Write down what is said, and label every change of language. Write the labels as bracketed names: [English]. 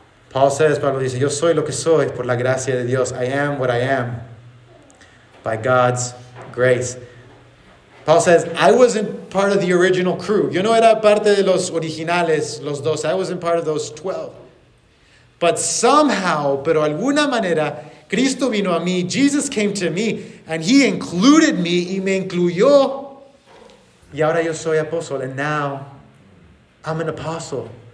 [English] Paul says, [Spanish] Pablo dice, yo soy lo que soy por la gracia de Dios. [English] I am what I am by God's grace. Paul says, I wasn't part of the original crew. [Spanish] Yo no era parte de los originales, los dos. [English] I wasn't part of those 12. But somehow, [Spanish] pero alguna manera, Cristo vino a mí, [English] Jesus came to me, and he included me, [Spanish] y me incluyó. Y ahora yo soy apóstol, [English] and now I'm an apostle.